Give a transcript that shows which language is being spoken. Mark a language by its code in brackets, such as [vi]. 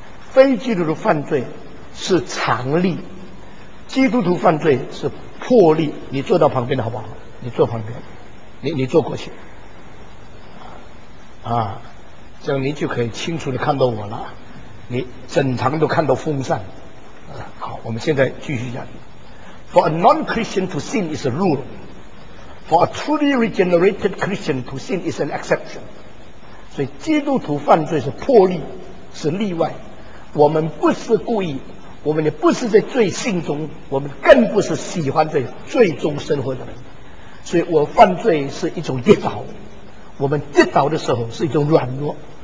[zh] 非基督徒犯罪是常例，基督徒犯罪是破例。你坐到旁边的好不好？你坐旁边，你坐过去啊，这样你就可以清楚地看到我了。你整场都看到风扇、好，我们现在继续讲。 [en] For a non-Christian to sin is a rule. For a truly regenerated Christian to sin is an exception. [zh] 所以基督徒犯罪是破例，是例外。我们不是故意，我们也不是在罪性中，我们更不是喜欢在罪中生活的人。所以我犯罪是一种跌倒，我们跌倒的时候是一种软弱。